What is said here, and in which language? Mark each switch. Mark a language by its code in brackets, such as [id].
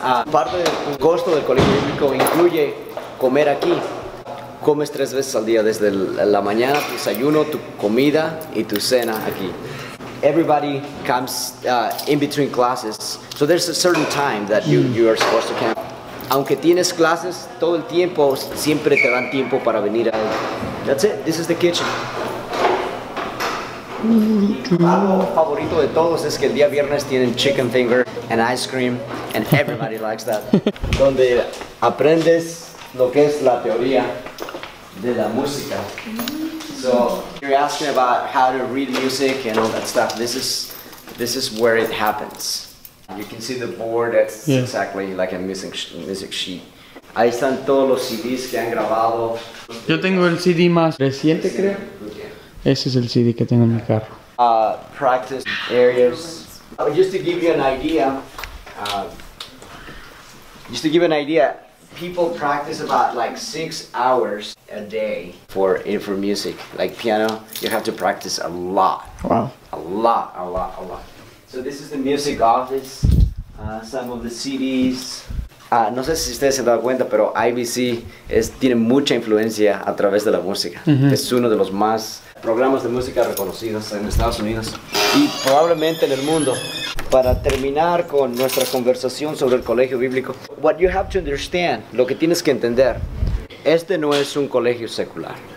[es] Parte del costo del colegio bíblico incluye comer aquí. Comes tres veces al día, desde la mañana, tu desayuno, tu comida y tu cena aquí. [en] Everybody comes in between classes. So there's a certain time that you are supposed to come. [es] Aunque tienes clases todo el tiempo, siempre te dan tiempo para venir a él. [en] That's it. This is the kitchen. [es] Algo favorito de todos es que el día viernes tienen [en] chicken finger and ice cream, and everybody likes that. [es] Donde aprendes lo que es la teoría de la música. [en] So you're asking about how to read music and all that stuff. This is where it happens. You can see the board. That's exactly like a music sheet. [es] Ahí están todos los CDs que han grabado. Yo tengo el CD más reciente, creo. Ese es el CD que tengo en mi carro. [en] Practice areas. Just to give you an idea. People practice about like 6 hours a day for music. Like piano, you have to practice a lot. Wow. A lot. So this is the music office, some of the CDs. [es] No sé si ustedes se han dado cuenta, pero IBC tiene mucha influencia a través de la música. Mm-hmm. Es uno de los más programas de música reconocidos en Estados Unidos y probablemente en el mundo. Para terminar con nuestra conversación sobre el colegio bíblico, [en] what you have to understand, [es] lo que tienes que entender, este no es un colegio secular.